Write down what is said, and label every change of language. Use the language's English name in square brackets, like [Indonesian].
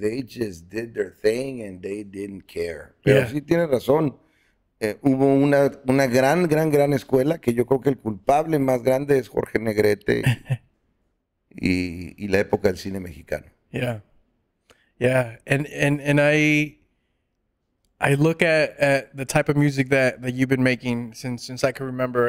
[English] They just did their thing and they didn't care. [Spanish] Pero [English] yeah. [Spanish] Sí tiene razón. Hubo una gran escuela que yo creo que el culpable más grande es Jorge Negrete. Y la época del cine mexicano. [English] Yeah. Yeah. And I look at the type of music that you've been making since I can remember.